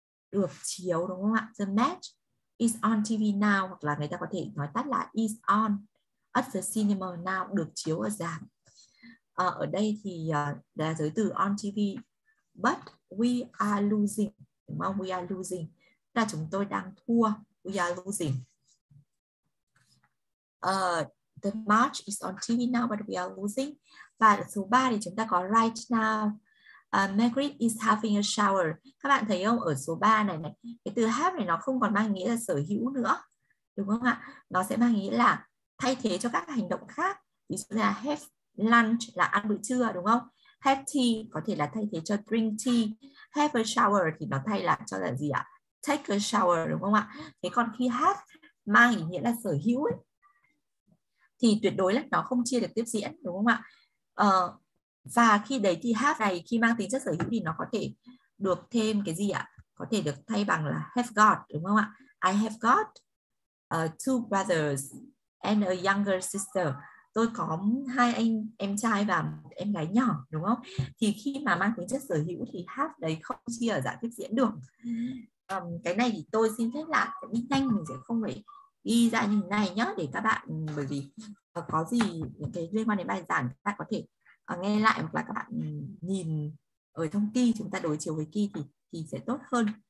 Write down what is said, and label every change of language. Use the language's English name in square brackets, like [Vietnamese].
[Vietnamese] Được chiếu đúng không ạ? [English] The match is on TV now, [Vietnamese] hoặc là người ta có thể nói tắt là [English] is on at the cinema now, [Vietnamese] được chiếu ở rạp. Ở đây thì là giới từ on TV, [English] but we are losing, [Vietnamese] đúng không? [English] We are losing, [Vietnamese] là chúng tôi đang thua. [English] We are losing. The match is on TV now, but we are losing. [Vietnamese] Và số 3 thì chúng ta có [English] right now. Margaret is having a shower. [Vietnamese] Các bạn thấy không? Ở số 3 này này, cái từ have này nó không còn mang nghĩa là sở hữu nữa, đúng không ạ? Nó sẽ mang nghĩa là thay thế cho các hành động khác. Ví dụ là have lunch là ăn bữa trưa, đúng không? Have tea có thể là thay thế cho drink tea. Have a shower thì nó thay là cho là gì ạ? Take a shower, đúng không ạ? Thế còn khi have mang ý nghĩa là sở hữu ấy, thì tuyệt đối là nó không chia được tiếp diễn, đúng không ạ? Và khi đấy thì have này khi mang tính chất sở hữu thì nó có thể được thêm cái gì ạ? Có thể được thay bằng là have got, đúng không ạ? [English] I have got two brothers and a younger sister. [Vietnamese] Tôi có hai anh em trai và em gái nhỏ, đúng không? Thì khi mà mang tính chất sở hữu thì have đấy không chia ở dạng tiếp diễn được. Cái này thì tôi xin phép là đi nhanh, mình sẽ không phải ghi ra như thế này nhá, để các bạn, bởi vì có gì những cái liên quan đến bài giảng các bạn có thể nghe lại, hoặc là các bạn nhìn ở trong kia, chúng ta đối chiếu với kia thì sẽ tốt hơn.